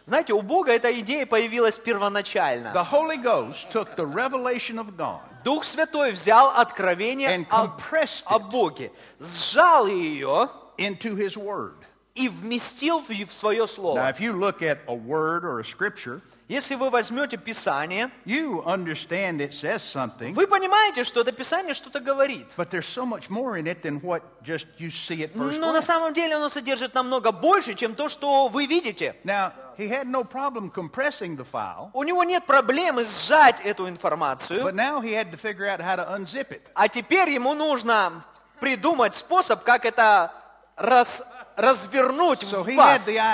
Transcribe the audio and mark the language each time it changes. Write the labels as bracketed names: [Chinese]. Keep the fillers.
[Russian] Знаете, у Бога эта идея появилась первоначально. [English] The Holy Ghost took the revelation of God [Russian] Дух Святой взял откровение о, о Боге, сжал ее [English] into his word [Russian] и вместил в свое слово. [English] Now, if you look at a word or a scripture, [Russian] если вы возьмете Писание, [English] you understand it says something, [Russian] вы понимаете, что это Писание что-то говорит. Но на самом деле оно содержит намного больше, чем то, что вы видите. [English] Now, He had no problem compressing the file, [Russian] у него нет проблемы сжать эту информацию. [English] But now he had to figure out how to unzip it. [Russian] А теперь ему нужно придумать способ, как это раз, развернуть so вас.